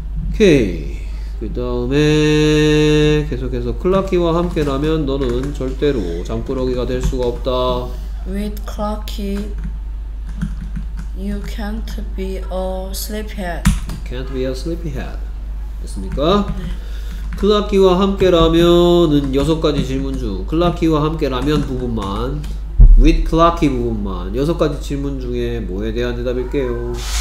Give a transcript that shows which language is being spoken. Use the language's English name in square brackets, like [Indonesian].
[Korean] 오케이. 그 다음에 계속해서 클라키와 함께라면 너는 절대로 잠꾸러기가 될 수가 없다. [English] With Clarky, you can't be a sleepyhead. Can't be a sleepyhead. [Korean] 됐습니까? 네. 클라키와 함께라면은 여섯 가지 질문 중 클라키와 함께라면 부분만, [English] With Clarky [Korean] 부분만 여섯 가지 질문 중에 뭐에 대한 대답일게요?